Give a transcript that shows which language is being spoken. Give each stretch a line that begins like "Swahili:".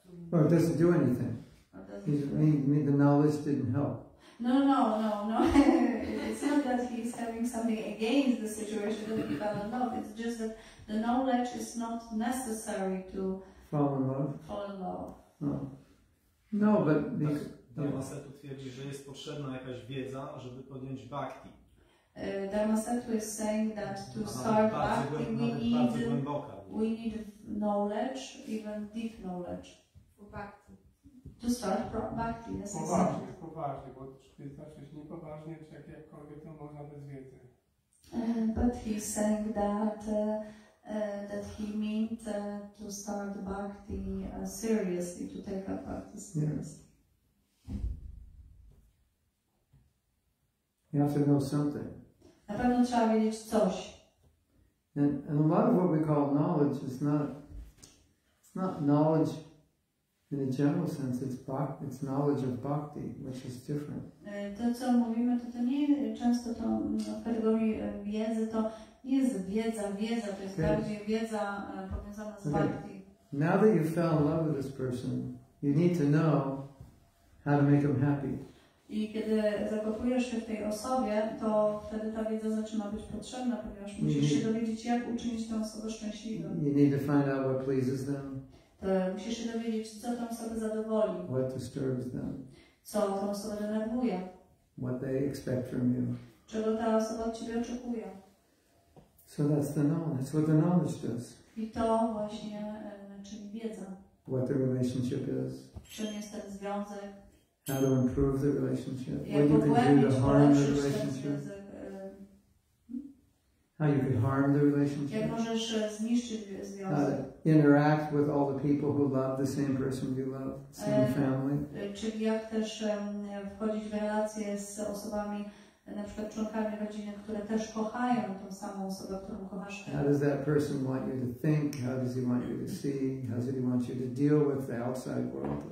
English: Well, it doesn't do anything. The knowledge didn't help. No. It's not that he's having something against the situation that he fell in love. It's just that the knowledge is not necessary to fall in love. Fall in love. No, but
Polish: Setu twierdzi, że jest potrzebna jakaś wiedza, żeby podjąć bhakti.
English: Dharmasetu is saying that to start bhakti we need knowledge, even deep knowledge. For bhakti. To start bhakti,
Polish: poważnie, bo czy jest niepoważnie, czy jakkolwiek to można bez wiedzy.
English: But he's saying that that he meant to start bhakti seriously, to take up bhakti seriously. You have to know something.
Polish: Na pewno trzeba wiedzieć coś.
English: And a lot of what we call knowledge is not, it's not knowledge in a general sense, it's knowledge of bhakti, which is different.
Polish: To co mówimy, to nie często to kategorii wiedzy, to nie jest wiedza, to jest bardziej wiedza powiązana z bhakti.
English: Now that you fell in love with this person, you need to know how to make him happy.
Polish: I kiedy zakochujesz się w tej osobie, to wtedy ta wiedza zaczyna być potrzebna, ponieważ musisz się dowiedzieć, jak uczynić tę osobę szczęśliwą.
English: You need to find out what pleases them.
Polish: To musisz się dowiedzieć, co tę osobę zadowoli.
English: What disturbs them.
Polish: Co tę osobę denerwuje.
English: What they expect from you.
Polish: Czego ta osoba od ciebie oczekuje.
English: So that's the knowledge. That's what the knowledge does.
Polish: I to właśnie czyni wiedza.
English: What the relationship is.
Polish: Czym jest ten związek.
English: How to improve the relationship.
Polish: Jak
English: what you can do to harm the relationship. How you can harm the relationship.
Polish: Jak możesz zniszczyć związek.
English: How to interact with all the people who love the same person you love, same family.
Polish: Czyli jak też wchodzić w relacje z osobami, na przykład członkami rodziny, które też kochają tą samą osobę, którą kochasz.
English: How does that person want you to think? How does he want you to see? How does he want you to deal with the outside world?